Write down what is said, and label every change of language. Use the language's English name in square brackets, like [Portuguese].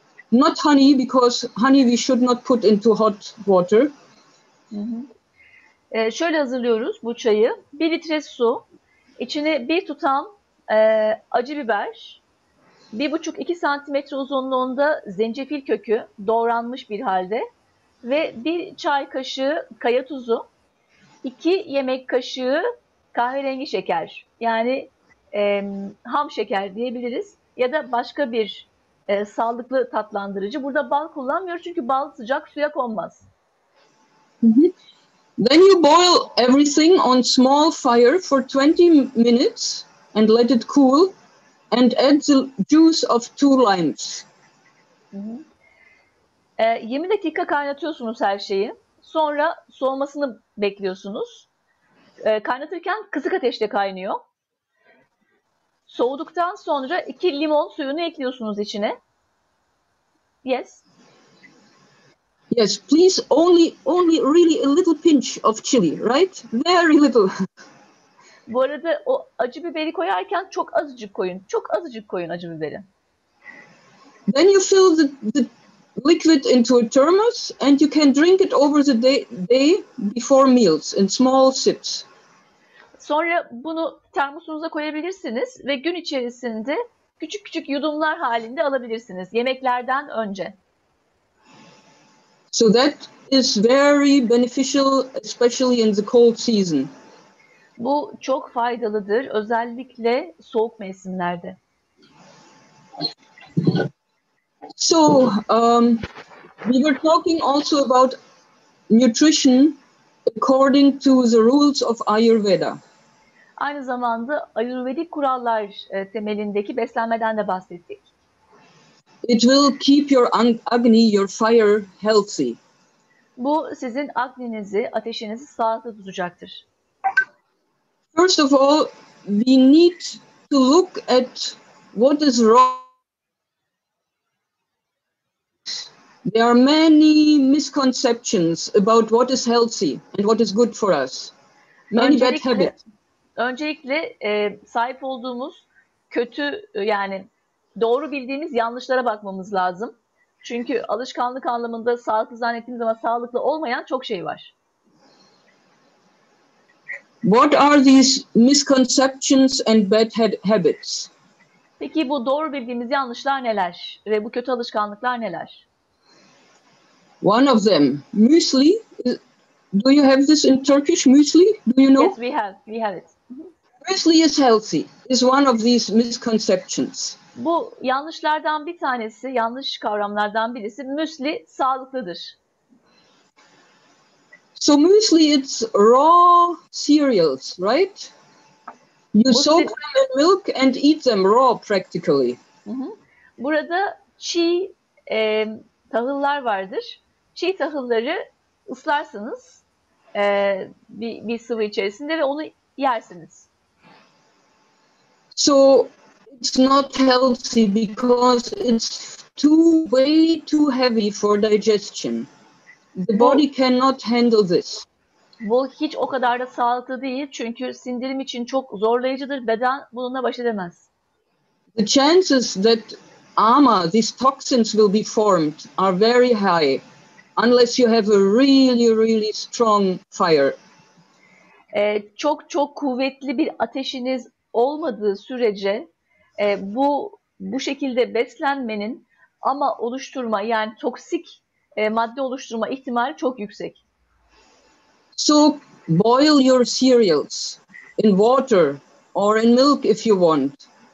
[English] Not honey, because honey we should not put into hot water. [Turkish] Şöyle hazırlıyoruz bu çayı. 1 litre su, içine 1 tutam acı biber, 1,5-2 santimetre uzunluğunda zencefil kökü doğranmış bir halde ve 1 çay kaşığı kaya tuzu, 2 yemek kaşığı kahverengi şeker, yani ham şeker diyebiliriz ya da başka bir sağlıklı tatlandırıcı. Burada bal kullanmıyoruz çünkü bal sıcak suya konmaz. [English] Then you boil everything on small fire for 20 minutes and let it cool and add the juice of 2 limes. [Turkish] 20 dakika kaynatıyorsunuz her şeyi. Sonra soğumasını bekliyorsunuz. Kaynatırken kısık ateşte kaynıyor. Soğuduktan sonra 2 limon suyunu ekliyorsunuz içine. [English] Yes. Yes, please only really a little pinch of chili, right? Very little. [Turkish] Bu arada o acı biberi koyarken çok azıcık koyun. Çok azıcık koyun acı biberi. [English] Then you fill the liquid into a thermos and you can drink it over the day before meals in small sips. [Turkish] Sonra bunu termosunuza koyabilirsiniz ve gün içerisinde küçük küçük yudumlar halinde alabilirsiniz yemeklerden önce. [English] So that is very beneficial, especially in the cold season. [Turkish] Bu çok faydalıdır, özellikle soğuk mevsimlerde. [English] So, we were talking also about nutrition according to the rules of Ayurveda. [Turkish] Aynı zamanda Ayurvedik kurallar temelindeki beslenmeden de bahsettik. [English] It will keep your agni, your fire healthy. [Turkish] Bu sizin agninizi, ateşinizi sağlıklı tutacaktır. [English] First of all, we need to look at what is wrong. There are many misconceptions about what is healthy and what is good for us. Many bad habits. [Turkish] Öncelikle sahip olduğumuz kötü, yani doğru bildiğimiz yanlışlara bakmamız lazım. Çünkü alışkanlık anlamında sağlıklı zannettiğimiz ama sağlıklı olmayan çok şey var. [English] What are these misconceptions and bad habits? [Turkish] Peki bu doğru bildiğimiz yanlışlar neler ve bu kötü alışkanlıklar neler? [English] One of them, muesli. Do you have this in Turkish, muesli? Do you know? Yes, we have it. Muesli is healthy. Is one of these misconceptions. [Turkish] Bu yanlışlardan bir tanesi, yanlış kavramlardan birisi. Muesli sağlıklıdır. [English] So muesli, it's raw cereals, right? You soak them in milk and eat them raw practically. [Turkish] Burada çiğ tahıllar vardır. Çiğ tahılları ıslarsınız bir sıvı içerisinde ve onu yersiniz. [English] So it's not healthy because it's way too heavy for digestion. The body cannot handle this. [Turkish] Bu hiç o kadar da sağlıklı değil çünkü sindirim için çok zorlayıcıdır. Beden bununla baş edemez. [English] The chances that ama these toxins will be formed are very high unless you have a really really strong fire. [Turkish] Çok çok kuvvetli bir ateşiniz olmadığı sürece bu şekilde beslenmenin ama oluşturma, yani toksik madde oluşturma ihtimali çok yüksek. [English] So boil your cereals in water or in milk if you want.